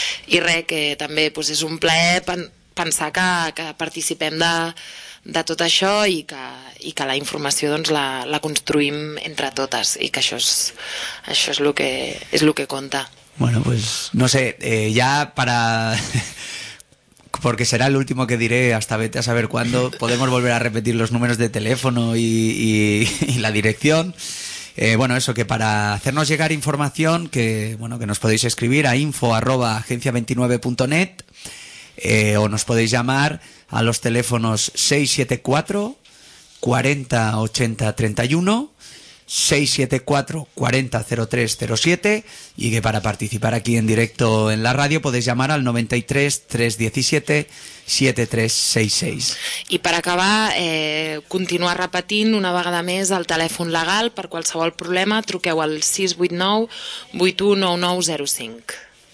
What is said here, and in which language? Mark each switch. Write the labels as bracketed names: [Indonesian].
[Catalan] I res, que també pues, és un plaer pensar que participem de tot això i que la informació doncs la construïm entre totes i que això és lo que conta. [Spanish] Bueno, pues no sé, ja para porque será el último que diré hasta vete a saber cuándo, podemos volver a repetir los números de teléfono y la dirección. Bueno, eso, que para hacernos llegar información, que bueno, que nos podéis escribir a info@agencia29.net o nos podéis llamar a los teléfonos 674-40-80-31, 674-40-03-07, y que para participar aquí en directo en la radio podéis llamar al 93-317-7366. [Catalan] I per acabar, continuar repetint una vegada més el telèfon legal per qualsevol problema, truqueu al 689-819905.